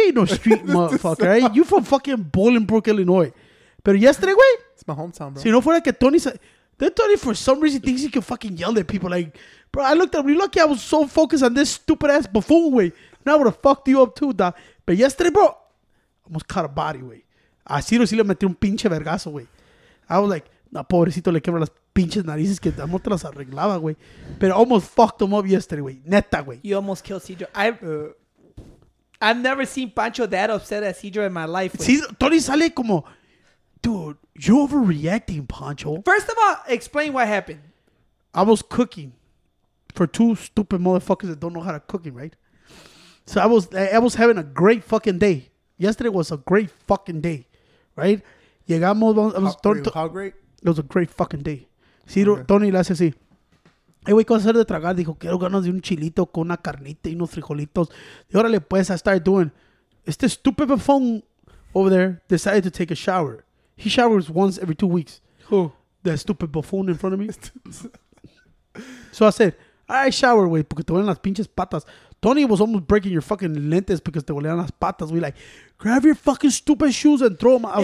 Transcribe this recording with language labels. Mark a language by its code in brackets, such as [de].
[en] You ain't no street motherfucker, right? You from fucking Bolingbrook, Illinois. But yesterday, güey. It's my hometown, bro. So you know, for like a Tony said, then Tony for some reason thinks he can fucking yell at people. Like, bro, I looked at him. You're lucky I was so focused on this stupid ass buffoon, way. Now I would have fucked you up too, dog. But yesterday, bro. Almost caught a body, güey. [es] A Ciro sí le metió un pinche vergazo, güey. [en] I was like, [es] no, pobrecito, le quebró las pinches narices que no te las arreglaba, güey. [en] But I almost fucked him up yesterday, güey. [es] Neta, güey. [en] You almost killed Cedro. I've never seen Pancho that upset at Cedro in my life. Cedro, [es] Tony sale como, [en] dude, you're overreacting, Pancho. First of all, explain what happened. I was cooking for two stupid motherfuckers that don't know how to cook, right? So I was having a great fucking day. Yesterday was a great fucking day, right? [es] Llegamos, [en] how great? It was a great fucking day. Ciro, okay. [es] Tony le hace así. Hey, güey, ¿qué vas a hacer de tragar? Dijo, quiero ganas de un chilito con una carnita y unos frijolitos. Y órale, pues, [en] I started doing. Este stupid buffoon over there decided to take a shower. He showers once every 2 weeks. Who? That stupid buffoon in front of me. So I said, I shower, güey, [es] porque te duelen las pinches patas. [en] Tony was almost breaking your fucking lentes because [es] te volvían las patas. [en] We like, grab your fucking stupid shoes and throw them out.